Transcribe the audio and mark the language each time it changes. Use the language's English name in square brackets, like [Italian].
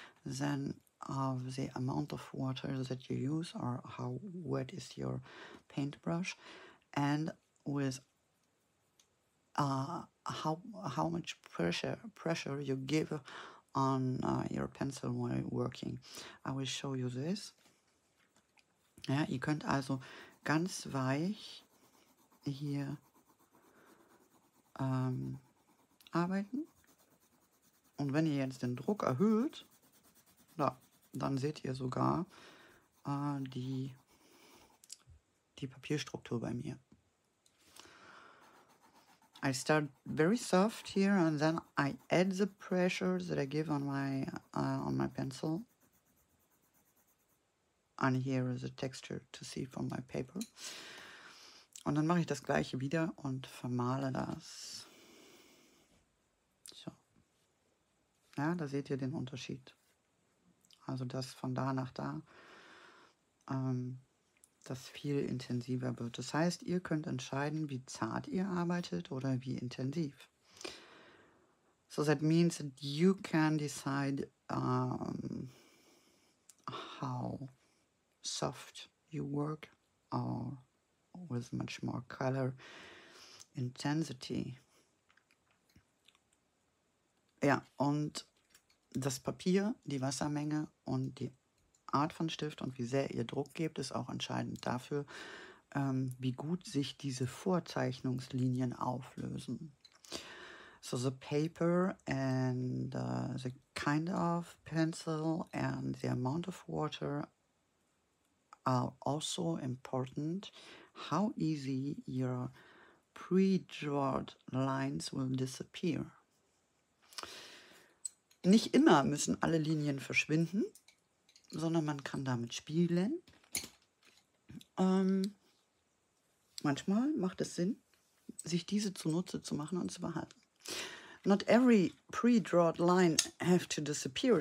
[English] Then of the amount of water that you use or how wet is your paintbrush. And with how much pressure you give on your pencil while working. I will show you this. [German] Ja, ihr könnt also ganz weich hier arbeiten. Und wenn ihr jetzt den Druck erhöht, ja, dann seht ihr sogar die Papierstruktur bei mir. [English] I start very soft here and then I add the pressure that I give on my pencil. And here is the texture to see from my paper. [German] Und dann mache ich das gleiche wieder und vermale das. Ja, da seht ihr den Unterschied. Also das von da nach da, das viel intensiver wird. Das heißt, ihr könnt entscheiden, wie zart ihr arbeitet oder wie intensiv. [English] So that means that you can decide how soft you work or with much more color intensity. [German] Ja, und das Papier, die Wassermenge und die Art von Stift und wie sehr ihr Druck gebt, ist auch entscheidend dafür, wie gut sich diese Vorzeichnungslinien auflösen. [English] So the paper and the kind of pencil and the amount of water are also important. How easy your pre-drawn lines will disappear. [German] Nicht immer müssen alle Linien verschwinden, sondern man kann damit spielen. Manchmal macht es Sinn, sich diese zunutze zu machen und zu behalten. [English] Not every pre-drawn line have to disappear.